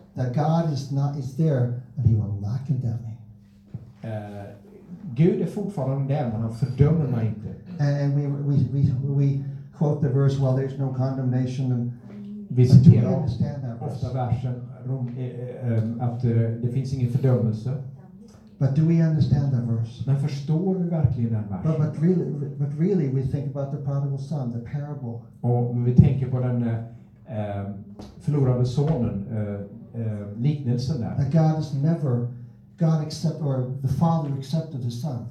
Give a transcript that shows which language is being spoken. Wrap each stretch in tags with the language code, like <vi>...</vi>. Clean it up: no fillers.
<en>That God is there and he will not condemn me.</en> <sv>Gud är fortfarande där men han fördömer mig inte.</sv> <en>And we quote the verse, well, there's no condemnation. And</en> <sv>vi citerar ofta versen att det finns ingen fördömelse.</sv> <en>But do we understand that verse?</en> <sv>Men förstår vi verkligen den versen?</sv> <en>But really, we think about the prodigal son, the parable.</en> <sv>Och vi tänker på den förlorade sonen, liknelsen där.</sv> <en>That God has never, God accepted, or the father accepted the son.</en>